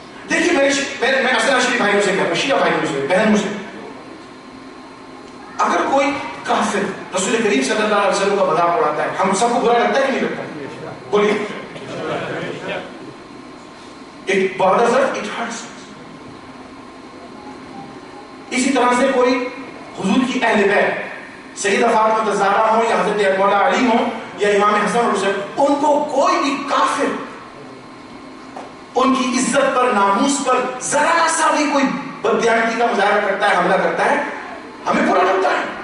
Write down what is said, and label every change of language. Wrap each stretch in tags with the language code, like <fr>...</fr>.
<ur>دیکھیں، میں اصل شیعہ بھائیوں سے کہہ رہا، شیعہ بھائیوں سے، بہنوں سے، اگر کوئی کافر رسول کریم صلی اللہ علیہ وسلم کا مذاق اڑاتا ہے، ہم سب کو برا لگتا ہے کہ نہیں لگتا؟ بولیے.</ur> <en>It bothers us, it hurts us.</en> <ur>اسی طرح سے کوئی حضور کی اہل بیت، سیدہ فاطمہ الزہرا ہوں یا حضرت مولا علی ہوں یا امام حسن اور حسین، ان کو کوئی بھی کافر ان کی عزت پر، ناموس پر ذرا سا بھی کوئی بددیانتی کا مظاہرہ کرتا ہے، حملہ کرتا ہے، ہمیں برا لگتا ہے.</ur>